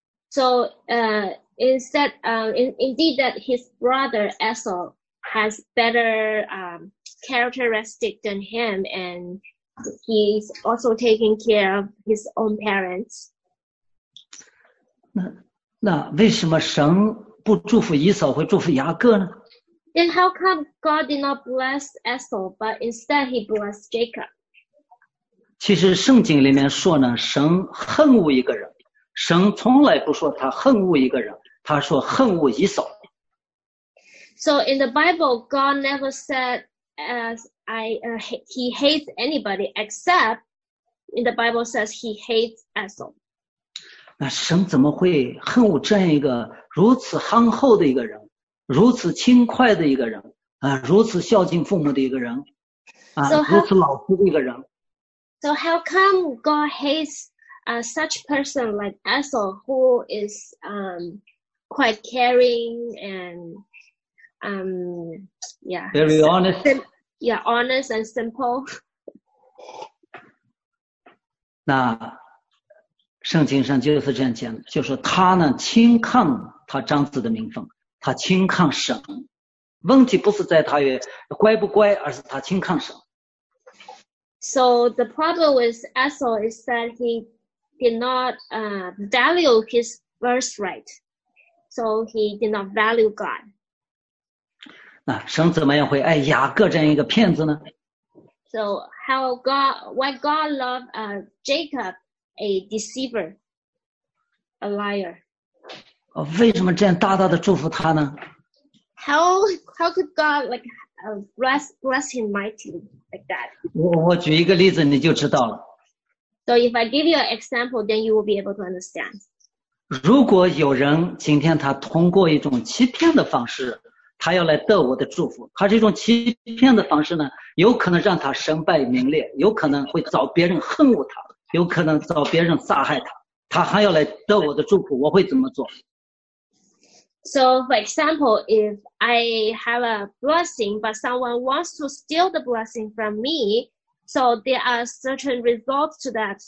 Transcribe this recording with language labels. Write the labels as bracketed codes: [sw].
[en] So, indeed that his brother Esau has better characteristic than him, and he's also taking care of his own parents. [zh] 那为什么神不祝福以扫，会祝福雅各呢？ [en] Then how come God did not bless Esau, but instead he blessed Jacob? [zh] 其实圣经里面说呢，神恨恶一个人，神从来不说他恨恶一个人，他说恨恶以扫。 [en] So in the Bible, God never said he hates anybody, except in the Bible says he hates Esau. [zh] 那神怎么会恨我这样一个如此憨厚的一个人，如此轻快的一个人啊，如此孝敬父母的一个人啊， [en] so、how, [zh] 如此老实的一个人。 [en] So how come God hates such person like Esau, who is quite caring and yeah, very honest. Yeah, honest and simple. [zh] 那圣经上就是这样讲，就是他呢轻看他长子的名分，他轻看神。问题不是在他也乖不乖，而是他轻看神。 [en] So the problem with Esau is that he did not value his birthright. So he did not value God. [zh] 那神怎么样会爱雅各这样一个骗子呢？ [en] So how God, why God love Jacob? A deceiver, a liar. [zh] 为什么这样大大的祝福他呢？ [en] How could God like bless him mightily like that? [zh] 我举一个例子你就知道了。 [en] So if I give you an example, then you will be able to understand. [zh] 如果有人今天他通过一种欺骗的方式，他要来得我的祝福，他这种欺骗的方式呢，有可能让他身败名裂，有可能会找别人恨恶他。有可能找别人杀害他，他还要来得我的祝福，我会怎么做？ [en] So for example, if I have a blessing, but someone wants to steal the blessing from me, so there are certain results to that.